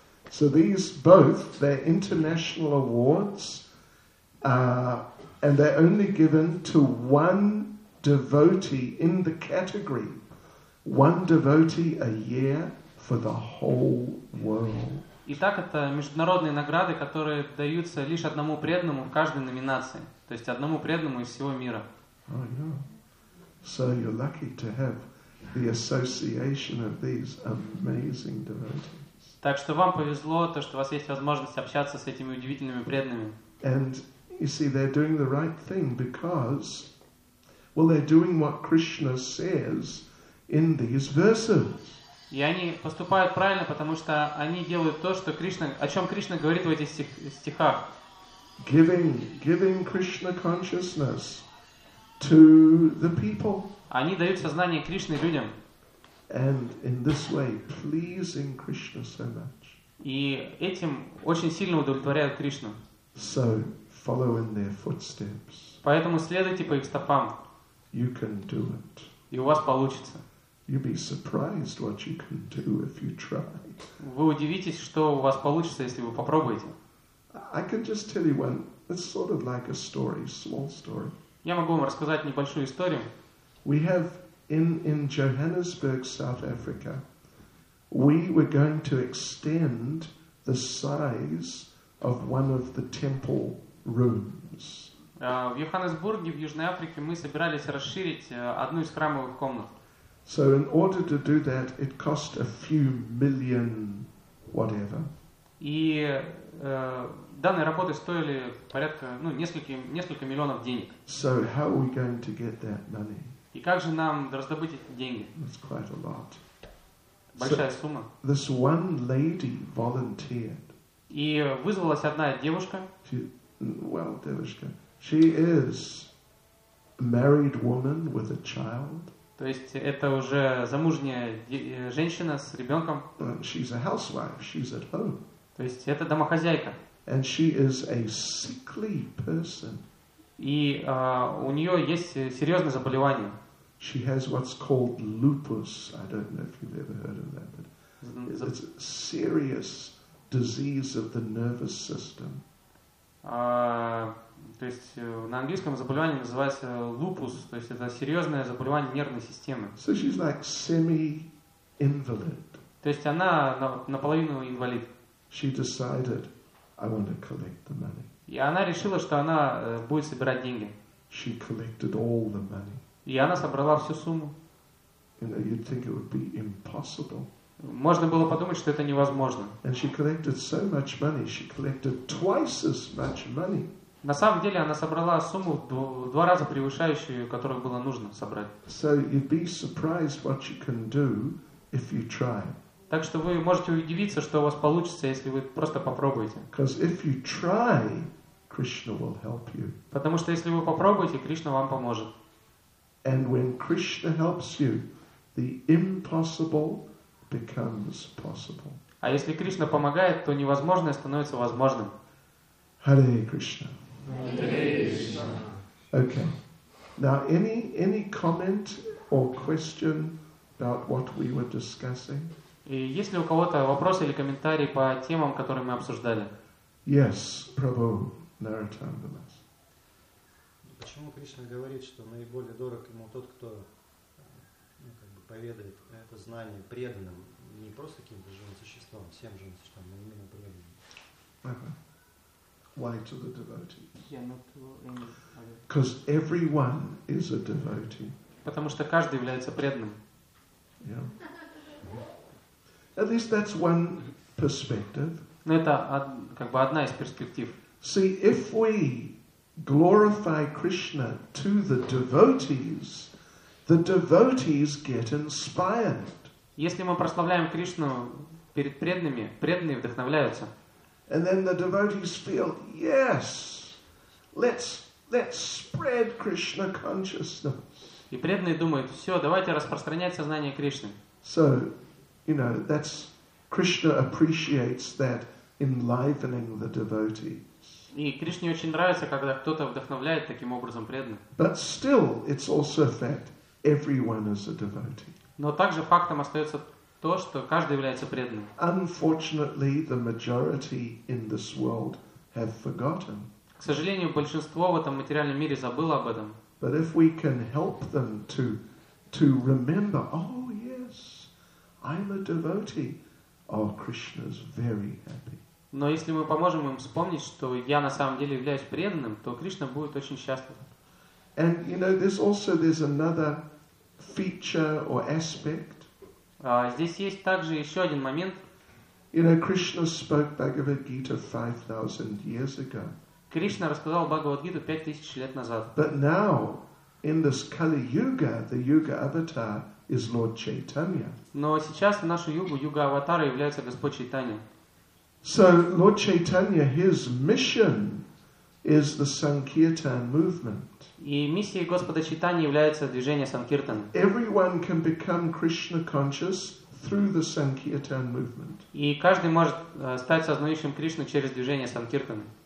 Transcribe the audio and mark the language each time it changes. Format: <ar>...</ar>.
<en>So these both, they're international awards, and they're only given to one devotee in the category, one devotee a year for the whole world.</en> <ru>Итак, это международные награды, которые даются лишь одному преданному в каждой номинации, то есть одному преданному из всего мира.</ru> <en>So you're lucky to have the association of these amazing devotees.</en> <ru>Так что вам повезло то, что у вас есть возможность общаться с этими удивительными преданными.</ru> <en>And you see, they're doing the right thing because, well, they're doing what Krishna says in these verses.</en> <ru>И они поступают правильно, потому что они делают то, что Кришна, о чем Кришна говорит в этих стихах.</ru> <en>Giving Krishna consciousness to the people.</en> <ru>Они дают сознание Кришны людям.</ru> <en>And in this way, pleasing Krishna so much.</en> <ru>И этим очень сильно удовлетворяют Кришну.</ru> <en>So follow in their footsteps.</en> <ru>Поэтому следуйте по их стопам.</ru> <en>You can do it.</en> <ru>И у вас получится.</ru> <en>You'd be surprised what you can do if you try.</en> <ru>Вы удивитесь, что у вас получится, если вы попробуете.</ru> <en>I can just tell you one. It's sort of like a story, small story.</en> <ru>Я могу вам рассказать небольшую историю.</ru> <en>We have in Johannesburg, South Africa, we were going to extend the size of one of the temple rooms.</en> <ru>В Йоханнесбурге, в Южной Африке, мы собирались расширить одну из храмовых комнат.</ru> <en>So in order to do that, it cost a few million whatever.</en> <ru>И данные работы стоили порядка, ну, несколько миллионов денег.</ru> <en>So how are we going to get that money?</en> <ru>И как же нам раздобыть эти деньги?</ru> <en>That's quite a lot.</en> <ru>Большая сумма.</ru> <en>This one lady volunteered.</en> <ru>И вызвалась одна девушка.</ru> <en>Well,</en> <ru>девушка.</ru> <en>She is a married woman with a child.</en> <ru>То есть это уже замужняя женщина с ребенком.</ru> <en>She's a housewife. She's at home.</en> <ru>То есть это домохозяйка.</ru> <en>And she is a sickly person.</en> <ru>И у нее есть серьезное заболевание.</ru> <en>She has what's called lupus. I don't know if you've ever heard of that, but it's a serious disease of the nervous system.</en> <ru>То есть на английском заболевание называется lupus. То есть это серьезное заболевание нервной системы.</ru> <en>So she's like semi-invalid.</en> <ru>То есть она наполовину инвалид.</ru> <en>She decided, I want to collect the money.</en> <ru>И она решила, что она будет собирать деньги.</ru> <en>She collected all the money.</en> <ru>И она собрала всю сумму.</ru> <en>You know, you'd think it would be impossible.</en> <ru>Можно было подумать, что это невозможно.</ru> <en>And she collected so much money. She collected twice as much money.</en> <ru>На самом деле она собрала сумму в два раза превышающую, которую было нужно собрать.</ru> <en>So you'd be surprised what you can do if you try.</en> <ru>Так что вы можете удивиться, что у вас получится, если вы просто попробуете.</ru> <en>Because if you try, Krishna will help you.</en> <ru>Потому что если вы попробуете, Кришна вам поможет.</ru> <en>And when Krishna helps you, the impossible becomes possible.</en> <ru>А если Кришна помогает, то невозможное становится возможным.</ru> <en>Hare Krishna. Hare Krishna. Okay. Now, any comment or question about what we were discussing?</en> <ru>И есть ли у кого-то вопросы или комментарии по темам, которые мы обсуждали?</ru> <en>Yes, Prabhu Narottamdas.</en> <ru>Почему Кришна говорит, что наиболее дорог ему тот, кто поведает это знание преданным, не просто каким-то живым существом, всем живым существом, но именно преданным?</ru> <en>Why to the devotees? Because everyone is a devotee.</en> <ru>Потому что каждый является преданным.</ru> <en>At least that's one perspective.</en> <ru>Но это как бы одна из перспектив.</ru> <en>See, if we glorify Krishna to the devotees get inspired.</en> <ru>Если мы прославляем Кришну перед преданными, преданные вдохновляются.</ru> <en>And then the devotees feel, yes, let's spread Krishna consciousness.</en> <ru>И преданные думают, все, давайте распространять сознание Кришны.</ru> <en>So, you know, that's Krishna appreciates that enlivening the devotees.</en> <ru>И Кришне очень нравится, когда кто-то вдохновляет таким образом преданных.</ru> <en>But still, it's also a fact everyone is a devotee.</en> <ru>Но также фактом остается то, что каждый является преданным.</ru> <en>Unfortunately, the majority in this world have forgotten.</en> <ru>К сожалению, большинство в этом материальном мире забыло об этом.</ru> <en>But if we can help them to remember, oh yes, I'm a devotee. Oh, Krishna's very happy.</en> <ru>Но если мы поможем им вспомнить, что я на самом деле являюсь преданным, то Кришна будет очень счастлив.</ru> <en>And you know, there's another feature or aspect.</en> <ru>Здесь есть также еще один момент.</ru> <en>You know, Krishna spoke Bhagavad Gita 5,000 years ago.</en> <ru>Кришна рассказал Бхагавад Гиту 5,000 лет назад.</ru> <en>But now, in this Kali Yuga, the Yuga Avatar is Lord Chaitanya.</en> <ru>Но сейчас в нашу югу юга аватара является Господь Чайтанья.</ru> <en>So Lord Chaitanya, his mission is the Sankirtan movement.</en> <ru>И миссией Господа Чайтаньи является движение Санкиртан.</ru> <en>Everyone can become Krishna conscious through the Sankirtan movement.</en> <ru>И каждый может стать сознающим Кришну через движение Санкиртан.</ru>